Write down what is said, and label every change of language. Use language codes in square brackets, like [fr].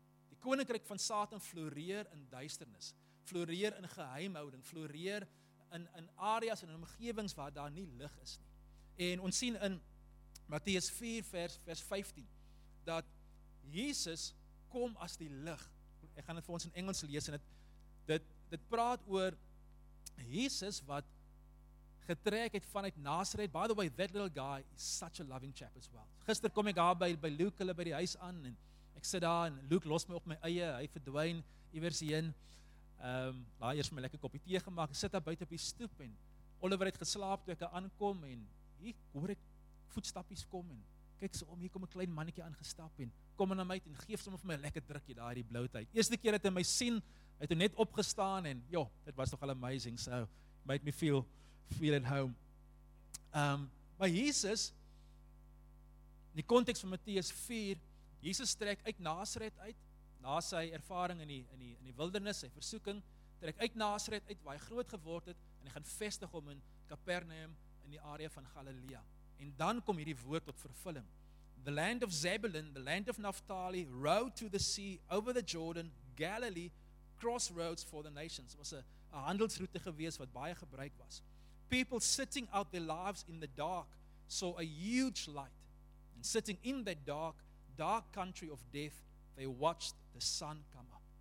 [af] Die koninkryk van Satan floreer in duisternis, floreer in geheimhouding, floreer in areas en omgewings waar daar nie lig is nie. En ons sien in Matteus 4 vers 15 dat Jesus kom as die lig. Ek gaan dit vir ons in Engels lees en dit praat oor Jesus wat getrek het vanuit Nazareth. [en] By the way, that little guy is such a loving chap as well. [af] Gister kom ek daar by Luke, hulle by die huis aan, en ek sit daar, en Luke los my op my eie, hy verdwyn, iewers heen, daar eers my lekker koppie tee gemaakt, ek sit daar buiten op die stoep, en Oliver het geslaap, toe ek aankom, en hier hoor ek voetstapjes kom, en kyk so om, hier kom een klein mannetje aangestap, en kom na my, en geef som of my lekker drukje daar, die blauwe tyd. Eerste keer het hy my sien, hy het net opgestaan, en joh, dit was toch al amazing, so, [en] made me feel at home. [af] Maar Jesus, in die context van Matteus 4, Jesus trek uit Nazareth uit, na sy ervaring in die wildernis, sy versoeking, trek uit Nazareth uit, waar hy groot geword het, en hy gaan vestig om in Capernaum, in die area van Galilea. En dan kom hierdie woord tot vervulling. [en] The land of Zebulun, the land of Naphtali, road to the sea, over the Jordan, Galilee, crossroads for the nations. [af] Was 'n handelsroute gewees wat baie gebruik was. [en] People sitting out their lives in the dark saw a huge light. And sitting in that dark country of death, they watched the sun come up.